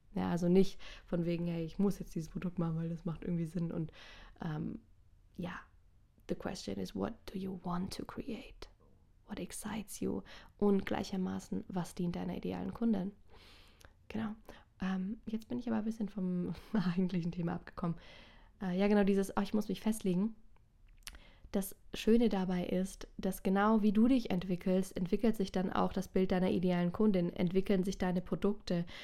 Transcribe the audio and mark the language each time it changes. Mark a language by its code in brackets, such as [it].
[de] Ja, also nicht von wegen, hey, ich muss jetzt dieses Produkt machen, weil das macht irgendwie Sinn. Und ja, [en] the question is, what do you want to create? What excites you? [de] Und gleichermaßen, was dient deiner idealen Kundin? Genau. Jetzt bin ich aber ein bisschen vom eigentlichen Thema abgekommen. Ja, genau, dieses, oh, ich muss mich festlegen. Das Schöne dabei ist, dass genau wie du dich entwickelst, entwickelt sich dann auch das Bild deiner idealen Kundin, entwickeln sich deine Produkte.